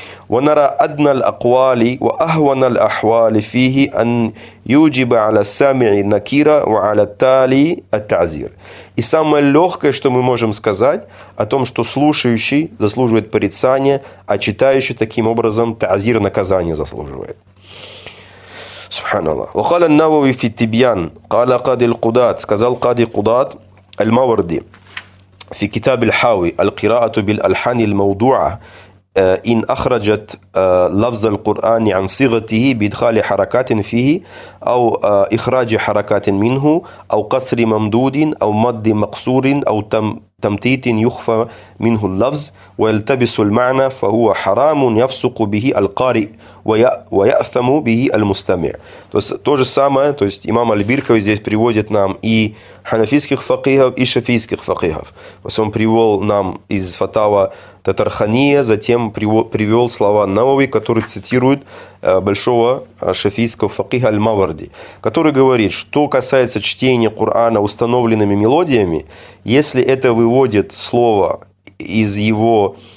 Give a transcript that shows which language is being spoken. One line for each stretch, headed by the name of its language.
Arabic: وَنَرَى أَدْنَى الْأَقْوَالِ وَأَهْوَنَى الْأَحْوَالِ فِيهِ أَنْ يُجِبَ عَلَى السَّامِعِ نَكِيرَ وَعَلَى التَّالِي التَّعْزِيرِ.
Russian: И самое легкое, что мы можем сказать, о том, что слушающий заслуживает порицания, а читающий таким образом тазир, наказание заслуживает.
Arabic: سبحان الله. وقال النووي في التبيان قال قاضي القضاة,
Russian: сказал
Arabic: قاضي القضاة المورد, في كتاب الحاوي: القراءة بالألحان الموضوعة إن أخرجت لفظ القرآن عن صيغته بإدخال حركات فيه أو إخراج حركات منه أو قصر ممدود أو مد مقصور أو تمتيت يخفى منه اللفظ ويلتبس المعنى فهو حرام يفسق به القارئ ويأثم به المستمع.
Russian: То же самое, то есть имам Аль-Биркави здесь приводит нам и ханафийских фақихов, и шафийских фақихов. То есть он привел нам из фатава Татархания, затем привел слова Навави, который цитирует большого шафийского фақиха Аль-Маварди, который говорит, что касается чтения Корана установленными мелодиями, если это выводит слово из его